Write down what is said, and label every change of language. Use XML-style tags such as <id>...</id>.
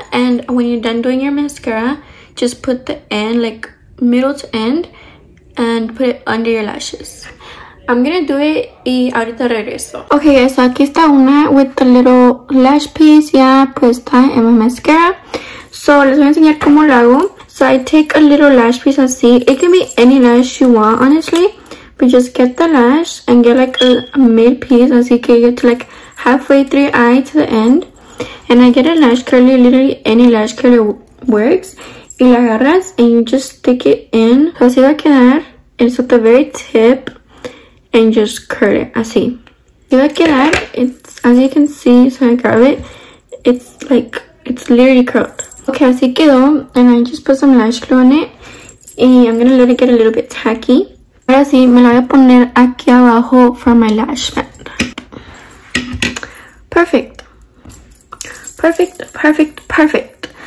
<en>And when you're done doing your mascara, just put the end, like middle to end, and put it under your lashes. I'm gonna do it</en> <es>y ahorita regreso.</es> <en>Okay guys, so</en> <es>aquí está una</es> <en>with the little lash piece</en> <es>ya puesta en mi mascara. So les voy a enseñar cómo lo hago.</es> <en>So I take a little lash piece así. It can be any lash you want, honestly. But just get the lash and get like a mid piece.</en> <es>Así que</es> <en>you get to like halfway through your eye to the end. And I get a lash curler, literally any lash curler works.</en> <es>y la agarras</es> <en>and you just stick it in. So</en> <es>así va a quedar.</es> <en>It's at the very tip and just curl it. Así.</en> <es>Así va a quedar.</es> <en>It's, as you can see, so I grab it. It's like, it's literally curled. Okay,</en> <es>así quedó.</es> <en>And I just put some lash glue on it. And I'm going to let it get a little bit tacky.</en> <es>Ahora sí, me la voy a poner aquí abajo</es> <en>for my lash band. Perfect. Perfect, perfect, perfect.</en>